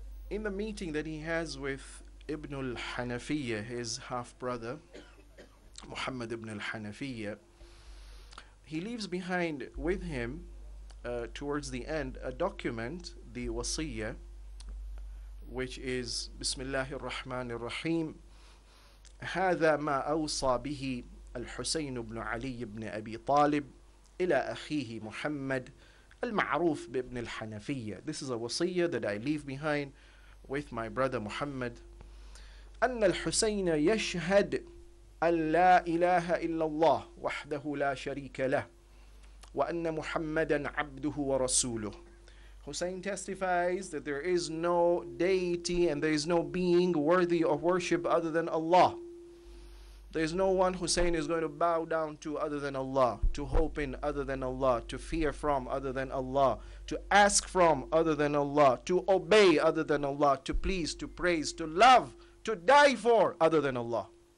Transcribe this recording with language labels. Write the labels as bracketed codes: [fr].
[en] In the meeting that he has with Ibn al-Hanafiyya, his half-brother, Muhammed ibn al-Hanafiyya, he leaves behind with him towards the end a document, the wasiyyah, which is Bismillah ar-Rahman ar-Rahim. [ar] هذا ما أوصى به الحسين بن علي بن أبي طالب إلى أخيه محمد المعروف بابن الحنفية. [en] This is a wasiyyah that I leave behind with my brother Muhammad. [ar] أن الحسين يشهد أن لا إله إلا الله وحده لا شريك له وأن محمدا عبده ورسوله. [en] Hussein testifies that there is no deity and there is no being worthy of worship other than Allah, There is no one Hussein is going to bow down to other than Allah, to hope in other than Allah, to fear from other than Allah, to ask from other than Allah, to obey other than Allah, to please, to praise, to love, to die for other than Allah.